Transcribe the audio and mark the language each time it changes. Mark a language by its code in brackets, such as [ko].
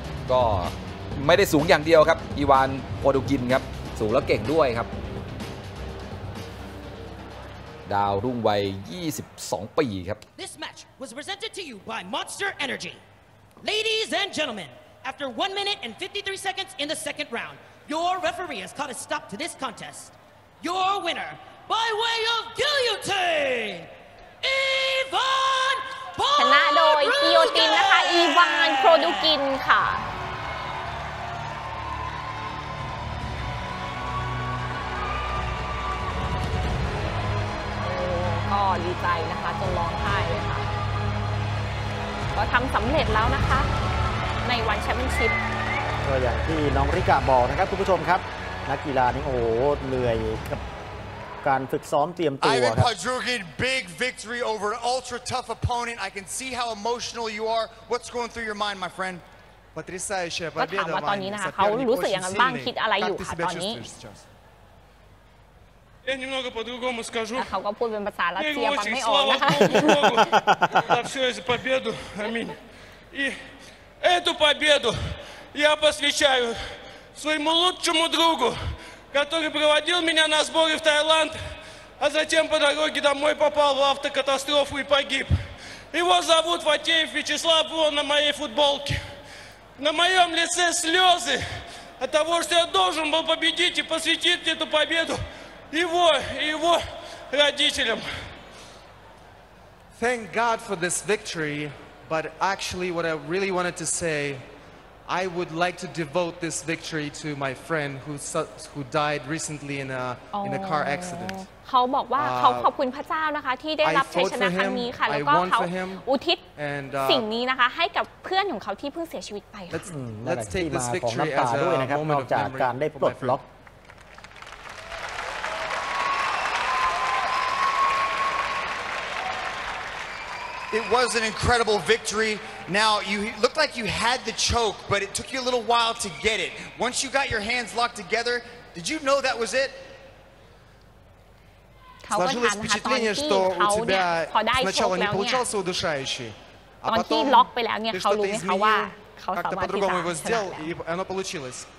[th] ก็ไม่ได้สูงอย่างเดียวครับอีวานโปรตุกินครับสูงแล้วเก่งด้วยครับดาวรุ่งวัย22ปีครับ [en] This match was presented to you by Monster Energy. Ladies and gentlemen, after 1 minute and 53 seconds in the second round, your referee has called a stop to this contest. Your winner by way of guillotine. [th] Ivan Prodigin ชนะโดยกิโยตินนะคะอีวานโปรดูกินค่ะก็ดีใจนะคะจนร้องไห้เลยค่ะก็ทำสำเร็จแล้วนะคะในวันแชมเปี้ยนชิพ ก็อย่างที่น้องริกะบอกนะครับคุณผู้ชมครับนักกีฬานี่โอ้โหเหนื่อยกับการฝึกซ้อมเตรียมตัวครับ [en] Ivan Prodigin big victory over an ultra tough opponent I can see how emotional you are what's going through your mind my friend Patricia [th] เชฟประเดี๋ยวมาตอนนี้นะคะเขารู้สึกยังไงบ้างคิดอะไรอยู่ค่ะตอนนี้ [ru] Я немного по-другому скажу. А как будет в Басаре? Я его очень слава Богу, Богу. За всю эту победу. Аминь. И эту победу я посвящаю своему лучшему другу, который проводил меня на сборы в Таиланд, а затем по дороге домой попал в автокатастрофу и погиб. Его зовут Фатеев Вячеслав, он на моей футболке. На моем лице слезы от того, что я должен был победить и посвятить эту победу его и его родителям. [en] Thank God for this victory, but actually what I really wanted to say, I would like to devote this victory to my friend who died recently in a car accident. [th] เขาบอกว่าเขาขอบคุณพระเจ้านะคะที่ได้รับชัยชนะครั้งนี้ค่ะแล้วก็เขาอุทิศสิ่งนี้นะคะให้กับเพื่อนของเขาที่เพิ่งเสียชีวิตไปค่ะ [en] Let's take this victory as a moment of memory. ลอก It was an incredible victory. Now, you looked like you had the choke, but it took you a little while to get it. Once you got your hands locked together, did you know that was it? [ru] Сложилось впечатление, что у тебя сначала не получался удушающий, а потом ты что-то изменил, как-то по-другому его сделал, и оно получилось.